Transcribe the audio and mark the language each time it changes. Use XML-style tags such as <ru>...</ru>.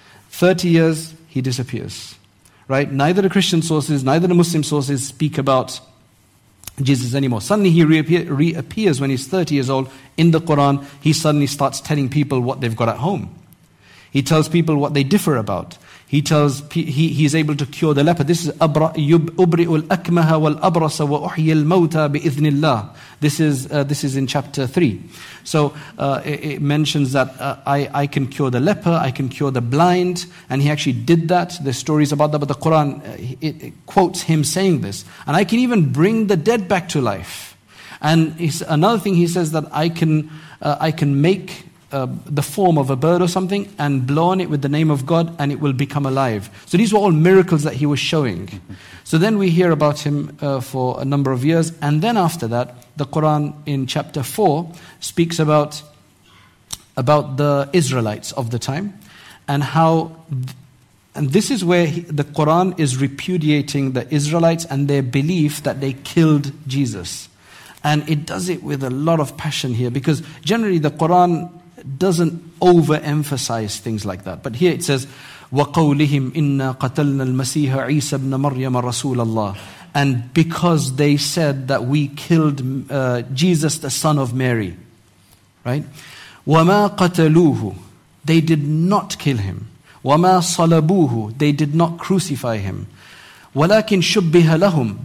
<en>30 years, he disappears, right? Neither the Christian sources, neither the Muslim sources speak about Jesus anymore. Suddenly he reappears when he's 30 years old in the Quran. He suddenly starts telling people what they've got at home. He tells people what they differ about. He tells, he's able to cure the leper. This is</en> <ar>أُبْرِئُ الْأَكْمَهَ وَالْأَبْرَسَ وَأُحْيِي الْمَوْتَى بِإِذْنِ اللَّهِ.</ar> <en>This is in chapter 3. So it mentions that I can cure the leper, I can cure the blind. And he actually did that. There's stories about that, but the Quran it quotes him saying this. And I can even bring the dead back to life. And another thing he says that I can make the form of a bird or something and blow on it with the name of God and it will become alive. So these were all miracles that he was showing. So then we hear about him for a number of years, and then after that the Quran in chapter 4 speaks about the Israelites of the time and how and this is where the Quran is repudiating the Israelites and their belief that they killed Jesus. And it does it with a lot of passion here, because generally the Quran doesn't overemphasize things like that. But here it says,</en> <ar>وَقَوْلِهِمْ إِنَّا قَتَلْنَا الْمَسِيحَ عِيسَى بْنَ مَرْيَمَ رَسُولَ اللَّهِ.</ar> <en>And because they said that we killed Jesus, the son of Mary. Right?</en> <ar>وَمَا قَتَلُوهُ.</ar> <en>They did not kill him.</en> <ar>وَمَا صَلَبُوهُ.</ar> <en>They did not crucify him.</en> <ar>وَلَكِنْ شُبِّهَ لَهُمْ.</ar>